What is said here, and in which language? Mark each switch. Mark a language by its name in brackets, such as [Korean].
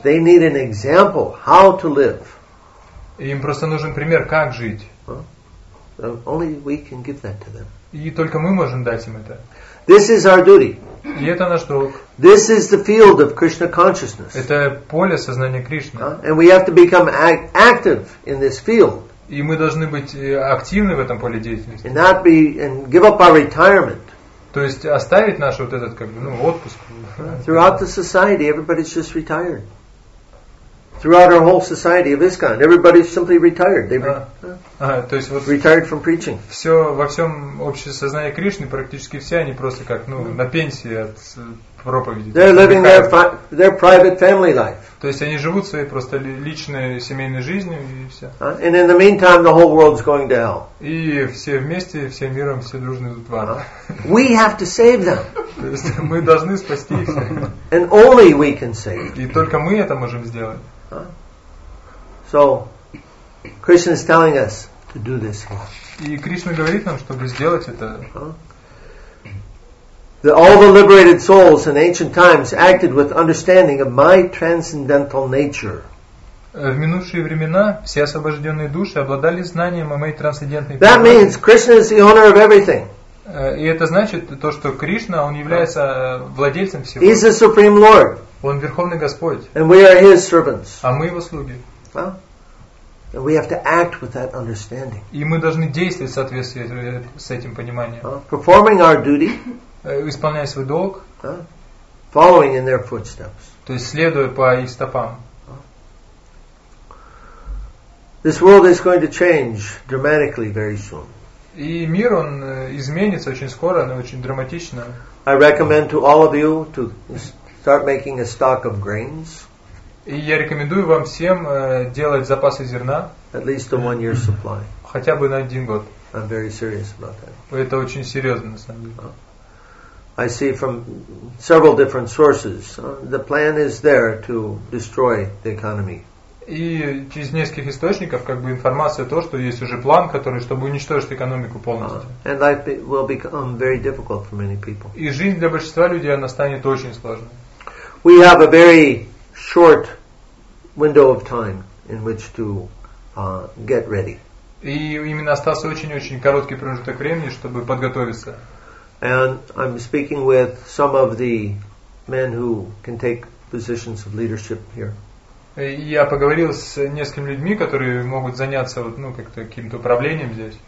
[English] They need an example how to live. [Russian] Им просто нужен пример, как жить. [English] Only we can give that to them. [Russian] И только мы можем дать им это. [English] This is our duty. [Russian] И это наш долг. [English] This is the field of Krishna consciousness. [Russian] Это поле сознания Кришны. [English] And we have to become active in this field. [Russian] И мы должны быть активны в этом поле деятельности. [English] And not be and give up our retirement. [Russian] То есть оставить наш вот этот отпуск. [English] Throughout the society, everybody's just retired. Throughout our whole society of ISKCON, everybody's simply retired. Retired from preaching. [Russian] Все во всем обществе сознания Кришны практически все они просто как на пенсии от проповеди. [English] They're living their private family life. [Russian] То есть они живут своей просто личной семейной жизнью и все. [English] And in the meantime, the whole world's going to hell. [Russian] И все вместе, всем миром, все дружно идут в ад. [English] We have to save them. [Russian] То есть мы должны спасти их. [English] And only we can save. [Russian] И только мы это можем сделать. [English] So Krishna is telling us to do this. [Russian] И Кришна говорит нам, чтобы сделать это. [English] All the liberated souls in ancient times acted with understanding of my transcendental nature. [Russian] В минувшие времена все освобожденные души обладали знанием о моей трансцендентной природе. [English] That means Krishna is the owner of everything. [Russian] И это значит то, что Кришна, он является владельцем всего. [English] He's the supreme Lord. [Russian] Он верховный Господь. [English] And we are His servants. [Russian] А мы его слуги. [English] And we have to act with that understanding. [Russian] И мы должны действовать в соответствии с этим пониманием. [English] Performing our duty. [Russian] Исполняя свой долг. [English] Following in their footsteps. [Russian] То есть следуя по их стопам. [English] This world is going to change dramatically very soon. [Russian] И мир он изменится очень скоро, но очень драматично. [English] I recommend to all of you to start making a stock of grains. [Russian] И я рекомендую вам всем делать запасы зерна. [English] At least a 1 year supply. [Russian] Хотя бы на один год. [English] I'm very serious about that. [Russian] Это очень серьезно, на самом деле. [English] I see from several different sources. The plan is there to destroy the economy. [Russian] И через нескольких источников информация то, что есть уже план, который чтобы уничтожить экономику полностью. [English] And life will become very difficult for many people. [Russian] И жизнь для большинства людей она станет очень сложной. [English] We have a very short window of time in which to get ready. [Russian] И именно остался очень-очень короткий промежуток времени, чтобы подготовиться. [English] And I'm speaking with some of the men who can take positions of leadership here. [Russian] Я поговорил с несколькими людьми, которые могут заняться каким-то управлением здесь.